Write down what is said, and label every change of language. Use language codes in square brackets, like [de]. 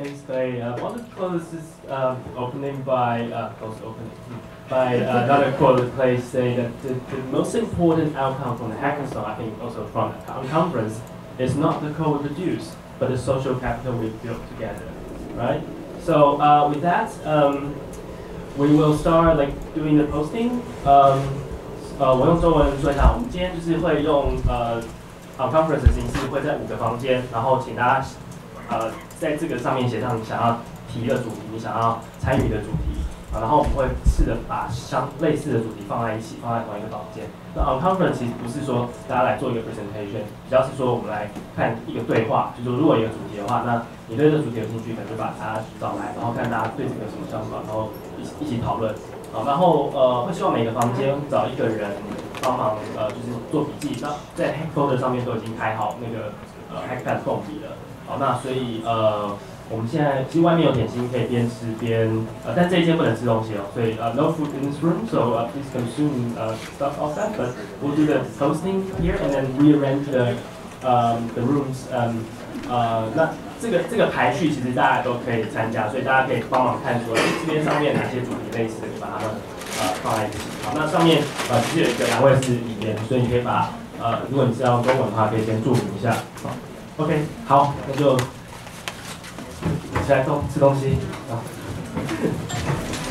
[en] things they want to close this opening by close opening by another quote place saying that the most important outcome from the hackathon, I think also from the conference, is not the code we produce, but the social capital we build together, right? So with that, we will start like doing the posting. [zh] 我用中文说一下，我们今天就是会用 Unconference 的形式会在五个房间，然后请大家在这个上面写上你想要提的主题，你想要参与的主题，然后我们会试着把相类似的主题放在一起，放在同一个房间。那 Unconference 其实不是说大家来做一个 presentation， 比较是说我们来看一个对话，就是说如果有一个主题的话，那你对这个主题有兴趣，可能就把它找来，然后看大家对这个什么想法，然后一起讨论，然后会希望每个房间找一个人。帮忙，就是做笔记。那在 Hack Folder 上面都已经开好那个Hack Pad 凤梨了。好，那所以我们现在其实外面有点心，可以边吃边，但这一间不能吃东西哦。所以 [en] no food in this room, so please consume stuff outside. But we'll do the toasting here and then rearrange the rooms. [zh] 那这个排序其实大家都可以参加，所以大家可以帮忙看出这边上面哪些主题类似的，把它们。放在一起，好，那上面其实有一个栏位是语言，所以你可以把如果你是要中文的话，可以先注明一下，好，OK， 好，那就起来吃东西啊。